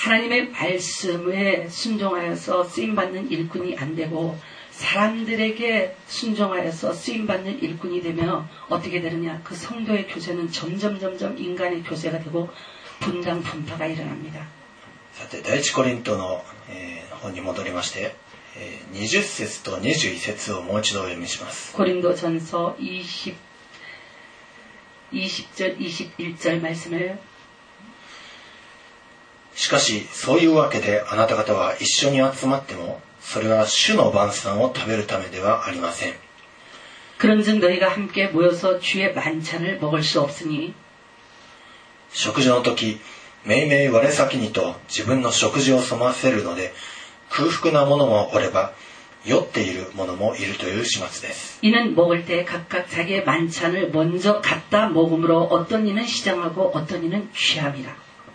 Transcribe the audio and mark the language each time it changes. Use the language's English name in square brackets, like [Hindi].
[Korean] 하나님의말씀에순종하여서쓰임받는일꾼이안되고사람들에게순종하여서쓰임받는일꾼이되며어떻게되느냐그성도의교제는점점인간의교제가되고분당분파가일어납니다 [Japanese] さて第一コリントの本に戻りまして20節と21節をもう一度読みします。 [Korean] 고린도전서20절21절말씀을 [Japanese] しかしそういうわけであなた方は一緒に集まってもそれは主の晩餐を食べるためではありません。 [Korean] 그런즉너희가함께모여서주의만찬을먹을수없으니 [Japanese] 食事の時めいめい我先にと自分の食事を済ませるので空腹なものもおれば酔っているものもいるという始末です [Korean] 이는먹을때각각자기의만찬을먼저갖다먹음으로어떤이는시장하고어떤이는취합니다